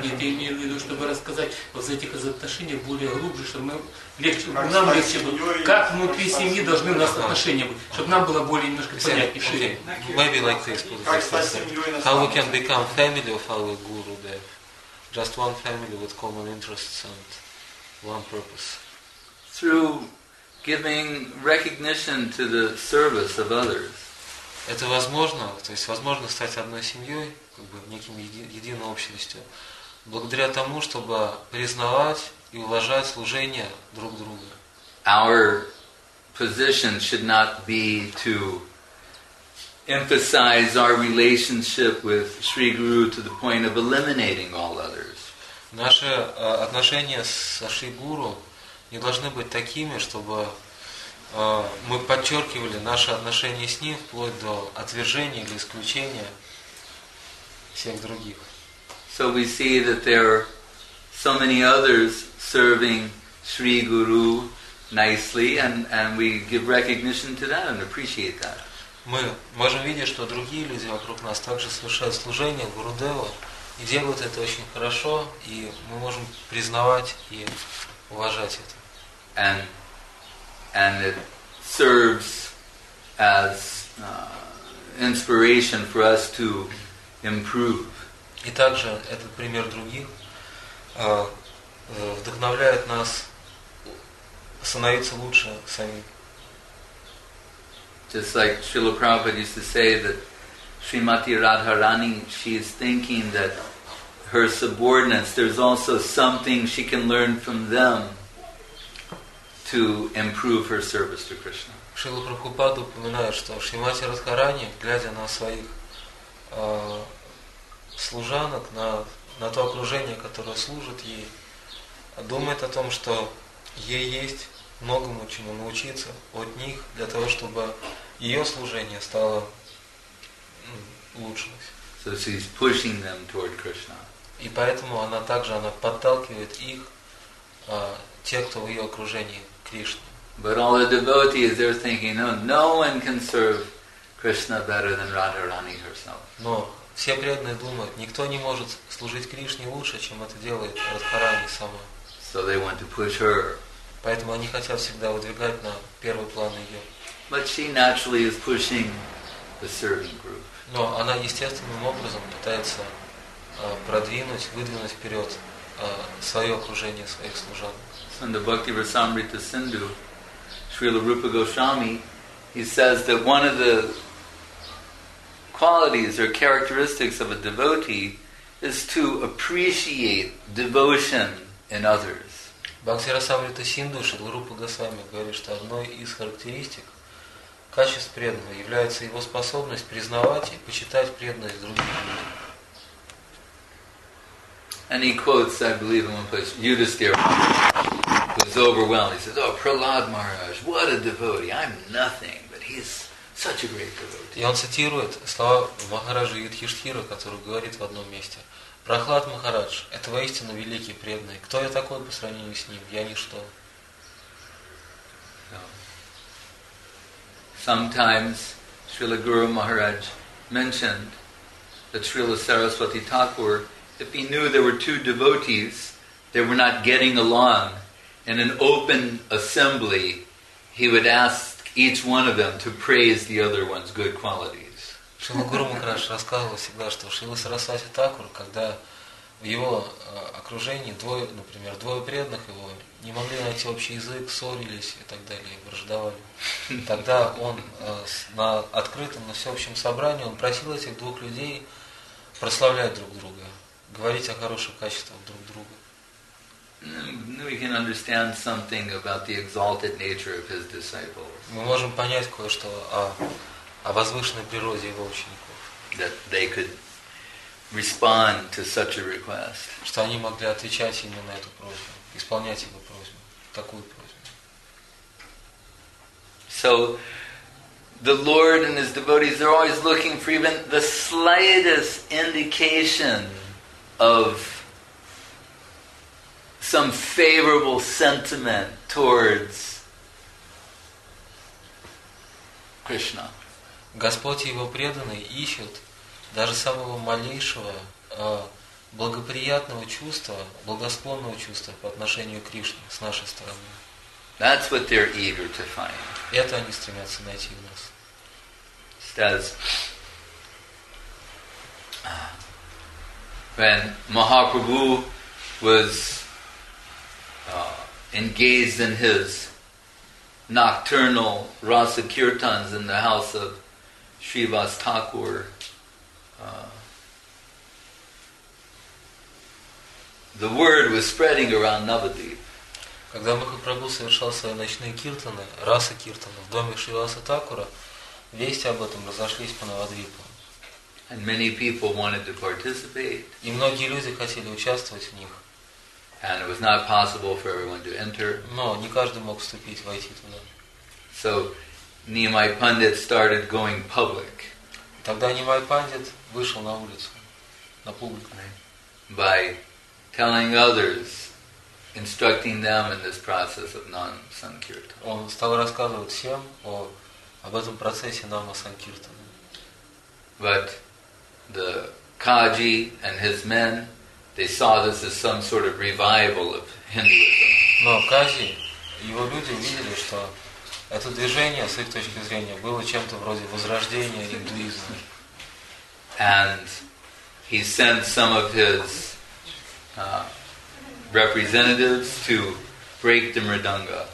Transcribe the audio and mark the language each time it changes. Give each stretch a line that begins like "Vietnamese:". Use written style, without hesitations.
Russian: Нет, я имею в виду, чтобы рассказать вот за этих отношениях более глубже, чтобы мы легче. Как нам легче было. Как внутри семьи должны у нас отношения быть, чтобы нам было более немножко понятнее, шире.
English: Maybe like this, put it like this. How we can become family of our guru there? Just one family with common interests and one purpose. Through giving recognition to the service of others.
Russian: Это возможно, то есть возможно стать одной семьей, как бы неким единой общностью, благодаря тому, чтобы признавать и уважать служение друг друга.
English: Our position should not be to emphasize our relationship with Sri Guru to the point of eliminating all others.
Russian: Наши отношения со Шри Гуру не должны быть такими, чтобы мы подчеркивали наши отношения с ним вплоть до отвержения или исключения всех других.
English: So we see that there are so many others serving Sri Guru nicely, and we give recognition to that and appreciate that.
Russian: Мы можем видеть, что другие люди вокруг нас также совершают служение Гурудеву и делают это очень хорошо, и мы можем признавать и уважать это.
English: And it serves as inspiration for us to improve.
Russian: И также этот пример других вдохновляет нас становиться лучше самим.
English: Just like Srila Prabhupada used to say that Srimati Radharani, she is thinking that her subordinates, there's also something she can learn from them to improve her service to Krishna.
Russian: Шрила Прабхупада упоминает, что Шримати Радхарани, глядя на своих служанок, на то окружение, которое служит ей, думает о том, что ей есть многому чему научиться от них для того, чтобы ее служение стало лучше.
English: So she's pushing them toward Krishna.
Russian: И поэтому она также подталкивает их, тех, кто в ее окружении.
English: But all the devotees, they're thinking, no one can serve Krishna better than Radharani herself.
Russian: Но все преданные думают, никто не может служить Кришне лучше, чем это делает Радхарани сама.
English: So they want to push her.
Russian: Поэтому они хотят всегда выдвигать на первый план ее.
English: But she naturally is pushing the serving group.
Russian: Но она естественным образом пытается продвинуть, выдвинуть вперед свое окружение, своих служанок.
English: in the Bhakti Rasamrita Sindhu, Srila Rupa Goswami, he says that one of the qualities or characteristics of a devotee is to appreciate devotion in others.
Russian: Бхакти Расамрита Синдху, Шрила Рупа Госвами говорит, что одной из характеристик качеств преданного является его способность признавать и почитать преданность других людей.
English: And he quotes, I believe, in one place, Yudhisthira, who's overwhelmed. He says, oh, Prahlad Maharaj, what a devotee. I'm nothing, but he's such a great devotee.
Russian: И он цитирует слова Махараджа Юдхиштхира, который говорит в одном месте, Прохлад Махарадж, это воистину великий преданный. Кто я такой по сравнению с ним? Я ничто.
English: Sometimes Srila Guru Maharaj mentioned that Srila Saraswati Thakur, if he knew there were two devotees, they were not getting along in an open assembly, he would ask each one of them to praise the other one's good qualities.
Russian: Шрила Гуру Махарадж рассказывал всегда, что Шрила Сарасвати Такур, когда в его окружении двое, например, двое преданных его не могли найти общий язык, ссорились и так далее, враждовали. Тогда он на открытом, на всеобщем собрании, он просил этих двух людей прославлять друг друга, говорить о хороших качествах друг друга.
English: We can understand something about the exalted nature of his disciples.
Russian: Мы можем понять кое-что о возвышенной природе его учеников.
English: That they could respond to such a request.
Russian: Что они могли отвечать именно на эту просьбу, исполнять его просьбу, такую просьбу.
English: So, the Lord and His devotees, they're always looking for even the slightest indication of some favorable sentiment towards Krishna.
Russian: Господь и его преданные ищут даже самого малейшего благоприятного чувства, благосклонного чувства по отношению к Кришне с нашей стороны.
English: That's what they're eager to find.
Russian: Это они стремятся найти в нас.
English: Says, when Mahaprabhu was engaged in his nocturnal rasa kirtans in the house of Srivas Thakur, the word was spreading around Navadvip.
Russian: Когда Махапрабху совершал свои ночные киртаны, раса киртана, в доме Шриваса Такура, вести об этом разошлись по Навадвипу.
English: And many people wanted to participate.
Russian: И многие люди хотели участвовать в них.
English: And it was not possible for everyone to enter.
Russian: Но не каждый мог вступить, войти туда.
English: So, Nimai Pandit started going public.
Russian: Тогда Nimai Pandit вышел на улицу, на публику.
English: By telling others, instructing them in this process of non-sankirtan.
Russian: Он стал рассказывать всем об этом процессе нама-санкиртана.
English: But the Kaji and his men, they saw this as some sort of revival of Hinduism.
Russian: Но Кази и его люди видели, что это движение, с их точки зрения, было чем-то вроде возрождения индуизма.
English: And he sent some of his representatives to break the mridanga.